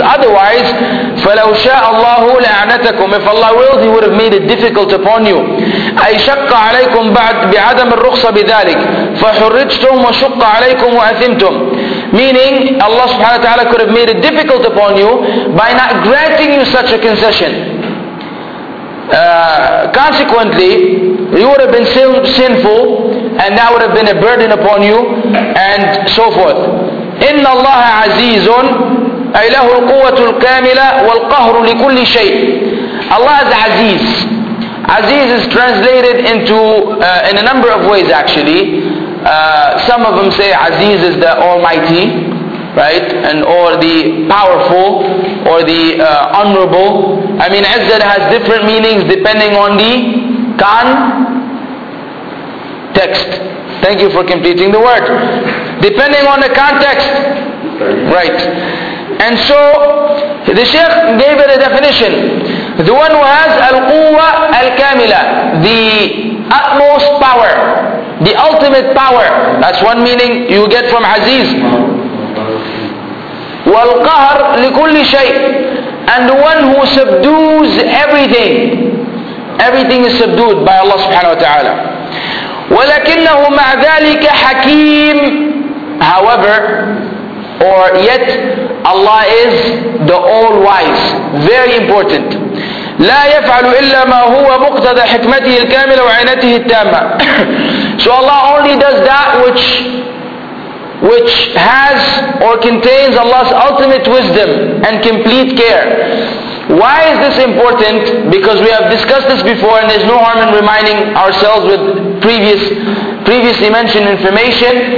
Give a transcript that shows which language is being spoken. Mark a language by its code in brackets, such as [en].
[en] Otherwise, [ar] فَلَوْ شَاءَ اللَّهُ لَأَعْنَتَكُمْ. [en] If Allah willed, He would have made it difficult upon you. [ar] أَيْشَقَّ عَلَيْكُمْ بِعَدَمِ الرُّخْصَ بِذَلِكَ فَحُرِّجْتُمْ وَشُقَّ عَلَيْكُمْ وَأَثِمْتُمْ. [en] Meaning, Allah subhanahu wa ta'ala could have made it difficult upon you by not granting you such a concession. Consequently, you would have been sinful, and that would have been a burden upon you, and so forth. [ar] إن الله عزيز أي له القوة الكاملة والقهر لكل شيء. [en] Allah is Aziz. Aziz is translated into in a number of ways, actually. Some of them say Aziz is the Almighty, right, and or the powerful, or the honorable. I mean, Izzat has different meanings depending on the context. Thank you for completing the word. Depending on the context, right. And so the Shaykh gave it a definition. The one who has [ar] al-quwa al-kamila, [en] the utmost power, the ultimate power. That's one meaning you get from Aziz. [ar] والقهر لكل شيء. [en] And the one who subdues everything. Everything is subdued by Allah subhanahu wa ta'ala. [ar] ولكنه مع ذلك حكيم. [en] However, or yet, Allah is the all wise. Very important. [ar] لا يفعل إلا ما هو مقتضى حكمته الكاملة وعنايته التامة. [en] So Allah only does that which has or contains Allah's ultimate wisdom and complete care. Why is this important? Because we have discussed this before, and there's no harm in reminding ourselves with previously mentioned information.